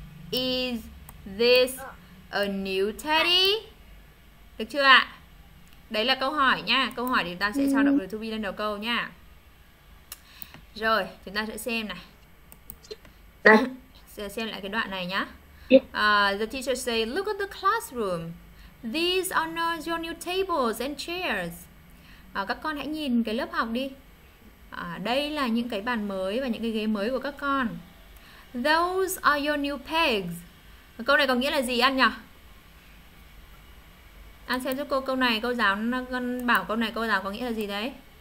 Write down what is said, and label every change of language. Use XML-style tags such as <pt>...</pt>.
<en>Is this a new teddy?</en> <vi>Được chưa ạ? Đấy là câu hỏi nhá. Câu hỏi thì chúng ta sẽ cho động to be lên đầu câu nhá. Rồi, chúng ta sẽ xem này. Sẽ xem lại cái đoạn này nhá.</vi> <en>The teacher say, look at the classroom. These are not your new tables and chairs.</en> <vi>Các con hãy nhìn cái lớp học đi. Đây là những cái bàn mới và những cái ghế mới của các con.</vi> <en>Those are your new pegs.</en> <vi>Câu này có nghĩa là gì An nhỉ? An xem giúp cô câu này, cô giáo bảo câu này, cô giáo có nghĩa là gì đấy?</vi>